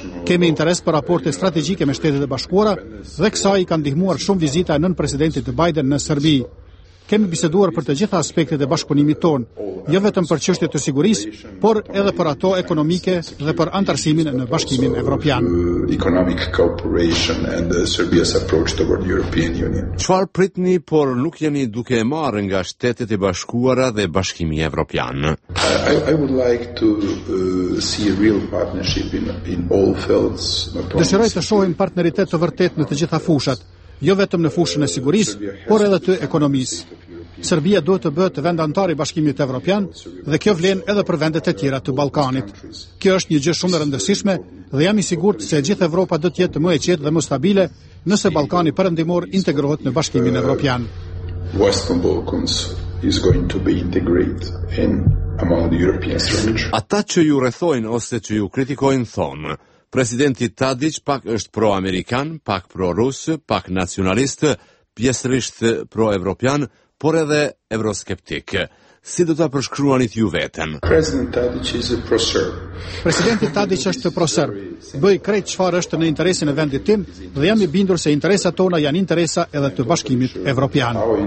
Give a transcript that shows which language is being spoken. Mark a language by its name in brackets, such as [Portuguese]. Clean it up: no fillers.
[Albanian] Kemi interes për raporte strategjike me Shtetet e Bashkuara dhe kësaj i ka ndihmuar shumë vizita e nën presidentit Biden në Serbi. Kemi biseduar për të gjitha aspektet e bashkëpunimit ton, jo vetëm për çështjet të sigurisë, por edhe për ato ekonomike dhe për antarësimin në Bashkimin Evropian. [English] Economic cooperation and Serbia's approach toward European Union. [Albanian] Çfarë pritni, por nuk jeni duke e marrë nga Shtetet e Bashkuara dhe Bashkimi Evropian? [English] I would like to see a real partnership in all fields. [Albanian] Dëshiroj të shohim partneritet të vërtetë në të gjitha fushat. Jo vetëm në fushën e sigurisë, por edhe të ekonomisë. Serbia duhet të bëhet vend antar i Bashkimit Evropian dhe kjo vlen edhe për vendet e tjera të Ballkanit. Kjo është një gjë shumë e rëndësishme dhe jam i sigurt se gjithë Evropa do të jetë më e qetë dhe më stabile nëse Ballkani perëndimor integrohet në Bashkimin Evropian. [English] Western Balkans is going to be integrated in among the European Union. [Albanian] Ata që ju rrethojnë ose që ju kritikojnë thonë: Presidenti Tadić pak është pro-amerikan, pak pro-rus, pak nacionalist, pjesërisht pro-evropian, por edhe euroskeptik. Si do ta përshkruanit ju veten? Presidenti Tadić është pro-serb. Bëj krejt çfarë është në interesin e vendit tim dhe jam i bindur se interesat tona janë interesa edhe të Bashkimit Evropian.